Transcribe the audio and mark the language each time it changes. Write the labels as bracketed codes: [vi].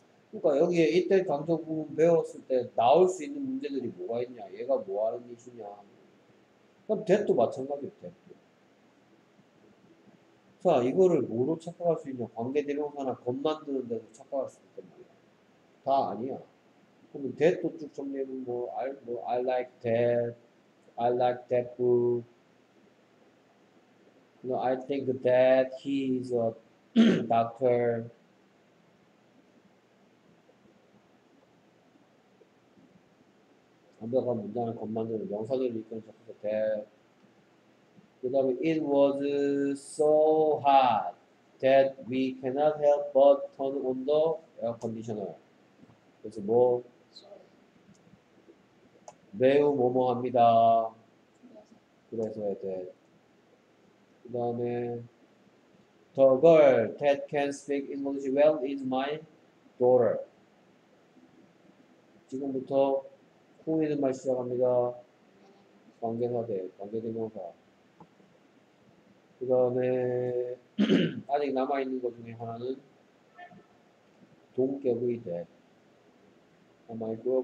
[ko] 그러니까 여기에 이때 강조 부분 배웠을 때 나올 수 있는 문제들이 뭐가 있냐? 얘가 뭐 하는 짓이냐? 그럼 that도 마찬가지 돼. 자, 이거를 뭐로 착각할 수 있냐? 관계대명사나 겁 만드는 데서 착각할 수 있단 말이야. 다 아니야. 그러면 that도 쭉 정리해보면 뭐, [en] I like that, I like that book, you know, I think that he is a doctor. [ko] 완벽한 문장을 겁 만드는 명사들을 읽고 착각해 that. 그 다음에 [en] it was so hot that we cannot help but turn on the air conditioner. [ko] 그래서 뭐 매우 모모합니다. 그래서 해야 돼. 그 다음에 [en] the girl that can speak English well is my daughter. [ko] 지금부터 who 이런 말 시작합니다. 관계사대, 관계대명사. 그 다음에 아직 남아있는 것 중에 하나는 동격의 that 남아있고요.